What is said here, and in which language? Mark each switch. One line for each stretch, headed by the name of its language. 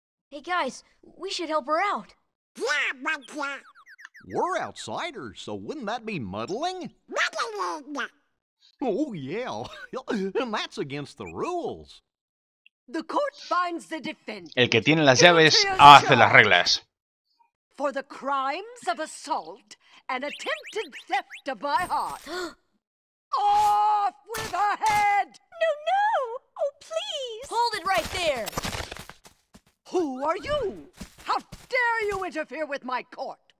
English: Hey, guys, we should help her out. We're outsiders, so wouldn't that be muddling? Oh, yeah. And that's against the rules. The court finds the defendant.
Spanish: El que tiene las llaves hace las reglas.
English: For the crimes of assault and attempted theft of my heart. Off with her head! No, no! Oh, please! Hold it right there! Who are you? How dare you interfere with my court?